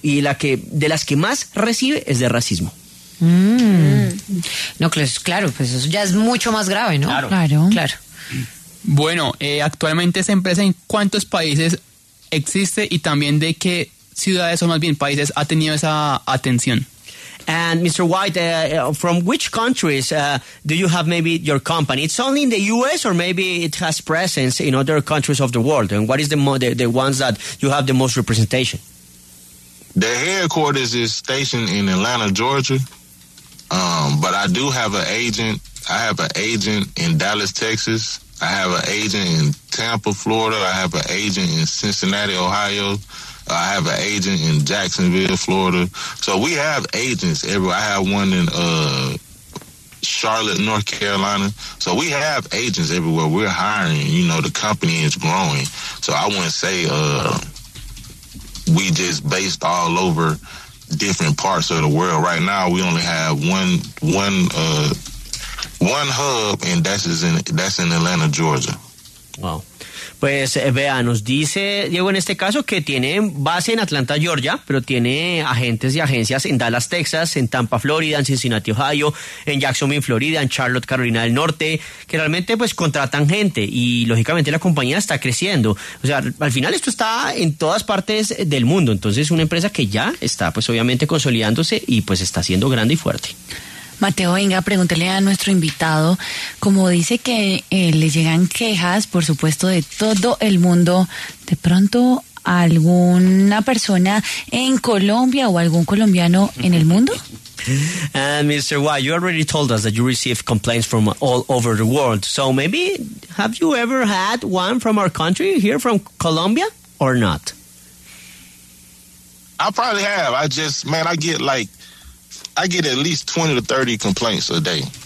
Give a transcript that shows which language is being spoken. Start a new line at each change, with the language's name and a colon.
Spanish: Y de las que más recibe es de racismo. No, claro, pues eso ya es mucho más grave, ¿no? Claro. Bueno, actualmente esa empresa, ¿en cuántos países existe y también de qué ciudades o más bien países ha tenido esa atención?
English: And Mr. White, from which countries do you have maybe your company? It's only in the U.S. or maybe it has presence in other countries of the world? And what is the ones that you have the most representation? The headquarters is stationed in Atlanta, Georgia. But I do have an agent. I have an agent in Dallas, Texas. I have an agent in Tampa, Florida. I have an agent in Cincinnati, Ohio. I have an agent in Jacksonville, Florida. So we have agents everywhere. I have one in Charlotte, North Carolina. So we have agents everywhere. We're hiring. You know, the company is growing. So I wouldn't say we just based all over different parts of the world. Right now, we only have one hub, and that's in Atlanta, Georgia. Wow.
Spanish: Pues vea, nos dice Diego en este caso que tiene base en Atlanta, Georgia, pero tiene agentes y agencias en Dallas, Texas, en Tampa, Florida, en Cincinnati, Ohio, en Jacksonville, Florida, en Charlotte, Carolina del Norte, que realmente pues contratan gente y lógicamente la compañía está creciendo. O sea, al final esto está en todas partes del mundo, entonces es una empresa que ya está pues obviamente consolidándose y pues está siendo grande y fuerte. Mateo, venga, pregúntele a nuestro invitado, como dice que le llegan quejas, por supuesto, de todo el mundo, de pronto alguna persona en Colombia o algún colombiano en el mundo.
English: And Mr. White, you already told us that you receive complaints from all over the world. So maybe have you ever had one from our country here from Colombia or not? I probably have. I get at least 20 to 30 complaints a day.